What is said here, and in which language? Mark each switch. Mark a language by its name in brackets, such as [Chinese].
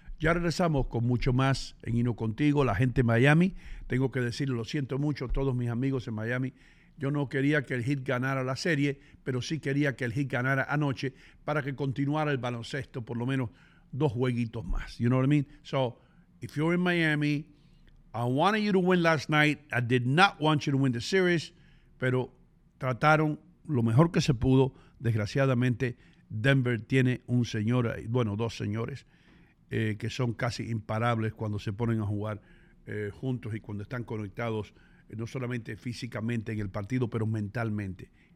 [Spanish] Ya regresamos con mucho más en Ino Contigo, la gente en Miami. Tengo que decirle, lo siento mucho, todos mis amigos en Miami. Yo no quería que el Heat ganara la serie, pero sí quería que el Heat ganara anoche para que continuara el baloncesto, por lo menos, dos jueguitos más. [English] You know what I mean? So, if you're in Miami, I wanted you to win last night. I did not want you to win the series. [Spanish] Pero trataron lo mejor que se pudo. Desgraciadamente, Denver tiene un señor, bueno, dos señores, que son casi imparables cuando se ponen a jugar juntos y cuando están conectados, no solamente físicamente en el partido, pero mentalmente.